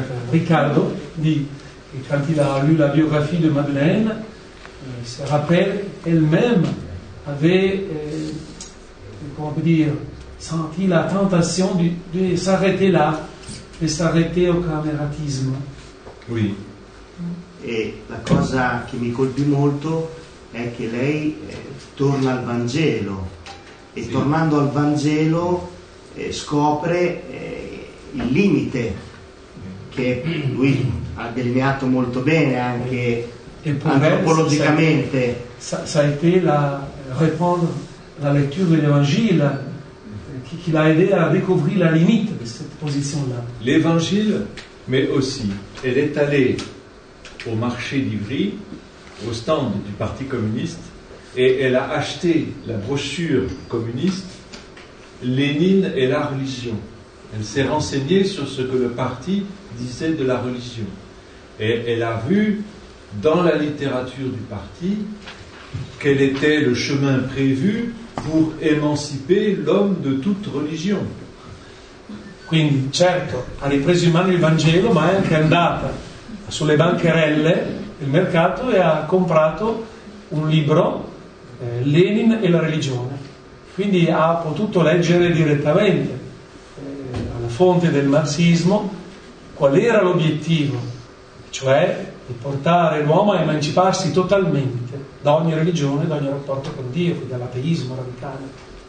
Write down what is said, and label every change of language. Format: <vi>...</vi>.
<fr>Riccardo, di quand il a lu la biographie de Madeleine, il se rappelle elle-même avait, comment peut dire, senti la tentation de s'arrêter là, de s'arrêter au camératisme. Oui.</fr> <it>E la cosa che mi colpì molto è che lei torna al Vangelo e sì, tornando al Vangelo scopre il limite che lui ha delineato molto bene anche antropologicamente.</it> <fr>Ça a été la répondre la lecture de l'Évangile qui l'a aidé à découvrir la limite de cette position là. L'Évangile, mais aussi elle est allée au marché d'Ivry, au stand du Parti communiste, et elle a acheté la brochure communiste Lénine et la religion. Elle s'est renseignée sur ce que le parti disait de la religion. Et elle a vu dans la littérature du parti quel était le chemin prévu pour émanciper l'homme de toute religion.</fr> <it>Quindi, certo, ha ripreso in mano il Vangelo, ma è anche andata sulle bancherelle il mercato e ha comprato un libro, Lenin e la religione, quindi ha potuto leggere direttamente alla fonte del marxismo qual era l'obiettivo, cioè di portare l'uomo a emanciparsi totalmente da ogni religione, da ogni rapporto con Dio, quindi dall'ateismo radicale.</it>